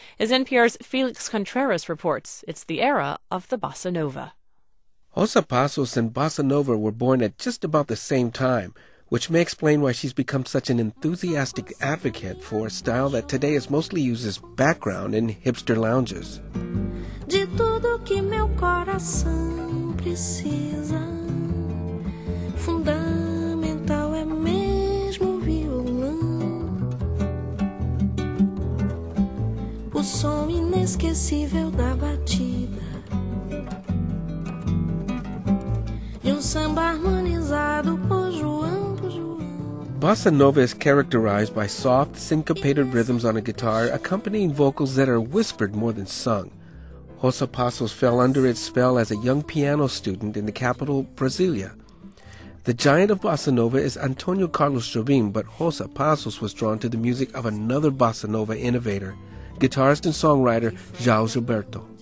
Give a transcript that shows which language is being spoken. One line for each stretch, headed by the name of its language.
English: As NPR's Felix Contreras reports, it's the era of the bossa nova. José Passos and bossa nova were born at just about the same time, which may explain why she's become such an enthusiastic advocate for a style that today is mostly used as background in hipster lounges.
Portuguese: De tudo que meu coração precisa, fundamental é mesmo o violão. O som inesquecível da batida. E samba harmonizado por João.
English: Bossa nova is characterized by soft, syncopated rhythms on a guitar accompanying vocals that are whispered more than sung. José Passos fell under its spell as a young piano student in the capital, Brasilia. The giant of bossa nova is Antonio Carlos Jobim, but José Passos was drawn to the music of another bossa nova innovator, guitarist and songwriter João Gilberto.